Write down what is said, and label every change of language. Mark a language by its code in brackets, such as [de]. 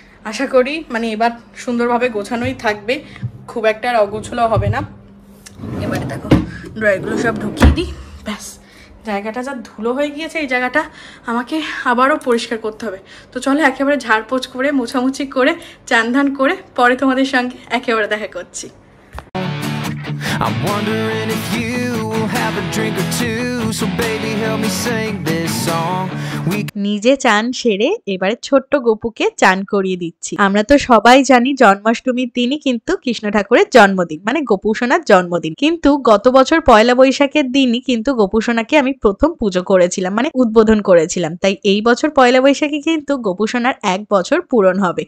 [bn] আশা করি মানে এবার সুন্দরভাবে গোছানোই থাকবে, খুব একটা আর অগোছলো হবে না। এবারে দেখো ড্রয়ারগুলো সব ঢুকিয়ে দিই, ব্যাস, জায়গাটা যা ধুলো হয়ে গিয়েছে এই জায়গাটা আমাকে আবারও পরিষ্কার করতে হবে। তো চলো একেবারে ঝাড়পোছ করে, মোছামুছি করে, চানধান করে পরে তোমাদের সঙ্গে একেবারে দেখা করছি। [en] I'm wondering if you will have a drink or two, so baby help me sing this song. [bn] নিজে চান সেরে এবারে ছোট্ট গোপুকে চান করিয়ে দিচ্ছি। আমরা তো সবাই জানি জন্মাষ্টমীর দিনই কিন্তু কৃষ্ণ ঠাকুরের জন্মদিন, মানে গোপু সোনার জন্মদিন। কিন্তু গত বছর পয়লা বৈশাখের দিনই কিন্তু গোপু সোনাকে আমি প্রথম পুজো করেছিলাম, মানে উদ্বোধন করেছিলাম, তাই এই বছর পয়লা বৈশাখে কিন্তু গোপু সোনার এক বছর পূরণ হবে।